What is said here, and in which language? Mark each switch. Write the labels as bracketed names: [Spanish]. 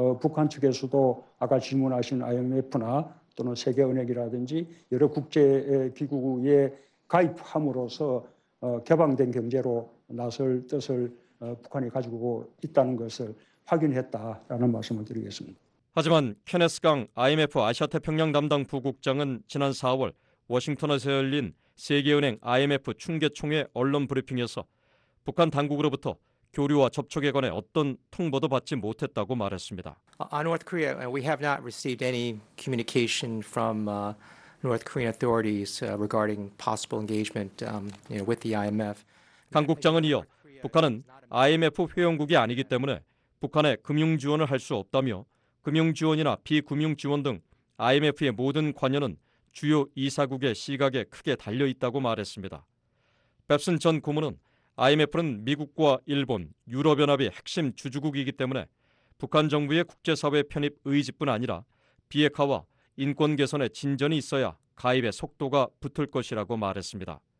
[Korean] 북한 측에서도 아까 질문하신 IMF나 또는 세계은행이라든지 여러 국제기구에 가입함으로써 개방된 경제로 나설 뜻을 북한이 가지고 있다는 것을 확인했다라는 말씀을 드리겠습니다. 하지만 케네스 강 IMF 아시아태평양 담당 부국장은 지난 4월 워싱턴에서 열린 세계은행 IMF 춘계총회 언론 브리핑에서 북한 당국으로부터 교류와 접촉에 관해 어떤 통보도 받지 못했다고 말했습니다. [English] North Korea, we have not received any communication from North Korean authorities regarding possible engagement with the IMF. [Korean] 강 국장은 이어 북한은 IMF 회원국이 아니기 때문에 북한에 금융 지원을 할 수 없다며 금융 지원이나 비금융 지원 등 IMF의 모든 관여는 주요 이사국의 시각에 크게 달려 있다고 말했습니다. 뱁슨 전 고문은 IMF는 미국과 일본, 유럽연합이 핵심 주주국이기 때문에 북한 정부의 국제사회 편입 의지뿐 아니라 비핵화와 인권 개선의 진전이 있어야 가입의 속도가 붙을 것이라고 말했습니다.